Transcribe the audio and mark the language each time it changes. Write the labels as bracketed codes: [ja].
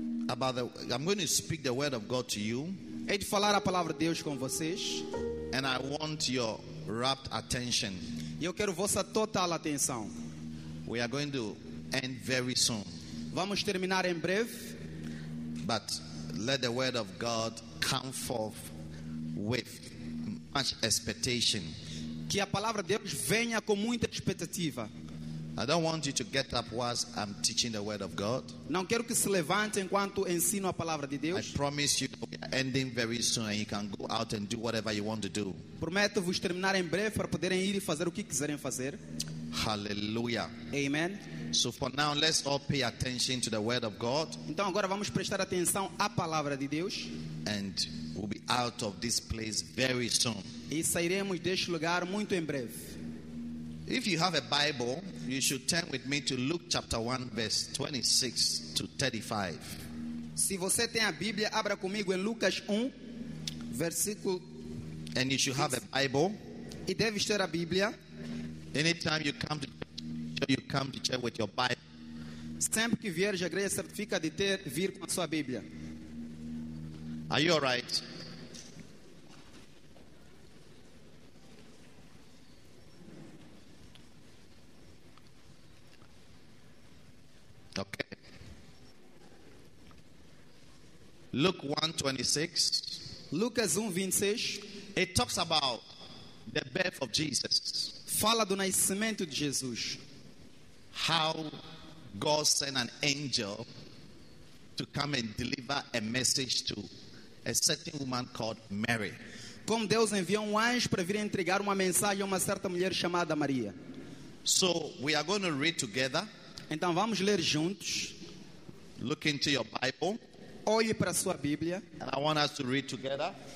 [en] I'm going to speak the word of God to you. [pt] É de falar a palavra de Deus com vocês. [en] And I want your rapt attention. [pt] Eu quero vossa total atenção. [en] We are going to end very soon. [pt] Vamos terminar em breve. [en] But let the word of God come forth with much expectation. [pt] Que a palavra de Deus venha com muita expectativa. [en] I don't want you to get up whilst I'm teaching the word of God. [pt] Não quero que se levante enquanto ensino a palavra de Deus. [en] I promise you we are ending very soon and you can go out and do whatever you want to do. [pt] Prometo-vos terminar em breve para poderem ir e fazer o que quiserem fazer. [en] Hallelujah. Amen. So for now, let's all pay attention to the word of God. [pt] Então agora vamos prestar atenção à palavra de Deus. [en] And we'll be out of this place very soon. [pt] E sairemos deste lugar muito em breve. [en] If you have a Bible, you should turn with me to Luke chapter 1, verse 26 to 35. [pt] Se você tem a Bíblia, abra comigo em Lucas 1, versículo. [en] And you should have a Bible. [pt] E deve ter a Bíblia. [en] Anytime you come to church, you come to church with your Bible. [pt] Sempre que vier, já creia, certifica de ter, vir com a sua Bíblia. [en] Are you all right? Okay. Luke 1:26. [pt] Lucas 1:26. [en] It talks about the birth of Jesus. [pt] Fala do nascimento de Jesus. [en] How God sent an angel to come and deliver a message to a certain woman called Mary. [pt] Como Deus enviou um anjo para vir entregar uma mensagem a uma certa mulher chamada Maria. [en] So we are going to read together. [pt] Então vamos ler juntos. [en] Look into your Bible. [pt] Olhe para a sua Bíblia. [en] And I want us to read together.